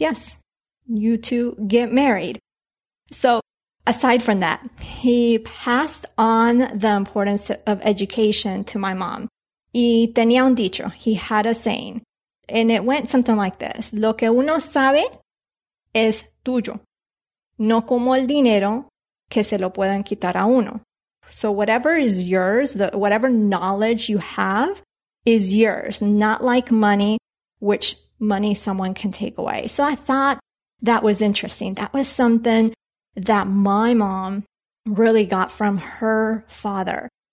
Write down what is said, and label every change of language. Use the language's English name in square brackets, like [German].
[English] Yes, you two get married. So aside from that, he passed on the importance of education to my mom. [Spanish] Y tenía un dicho, [English] he had a saying, and it went something like this. [Spanish] Lo que uno sabe es tuyo. No como el dinero que se lo pueden quitar a uno. [English] So whatever is yours, whatever knowledge you have is yours, not like money, which money someone can take away. So I thought that was interesting. That was something that my mom really got from her father.